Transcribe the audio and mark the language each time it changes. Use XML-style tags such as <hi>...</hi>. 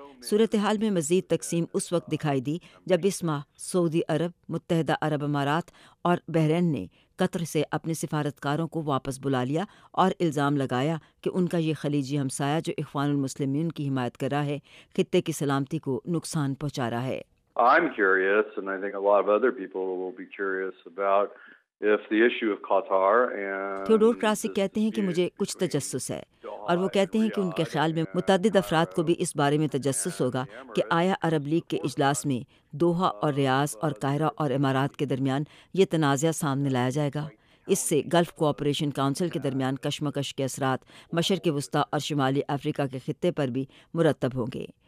<ur>صورتحال میں مزید تقسیم اس وقت دکھائی دی جب اس ماہ سعودی عرب، متحدہ عرب امارات اور بحرین نے قطر سے اپنے سفارتکاروں کو واپس بلا لیا اور الزام لگایا کہ ان کا یہ خلیجی ہمسایہ جو اخوان المسلمین کی حمایت کر رہا ہے، خطے کی سلامتی کو نقصان پہنچا رہا ہے۔</ur> <en>I'm curious and I think a lot of other people will be curious about if the issue of Qatar and</en> <ur>Theodore classic کہتے ہیں کہ مجھے کچھ تجسس ہے، اور وہ کہتے ہیں کہ ان کے خیال میں متعدد افراد کو بھی اس بارے میں تجسس ہوگا کہ آیا عرب لیگ کے اجلاس میں دوحا اور ریاض اور قاہرہ اور امارات کے درمیان یہ تنازعہ سامنے لایا جائے گا۔ اس سے گلف کوآپریشن کاؤنسل کے درمیان کشمکش کے اثرات مشرق وسطیٰ اور شمالی افریقہ کے خطے پر بھی مرتب ہوں گے۔</ur>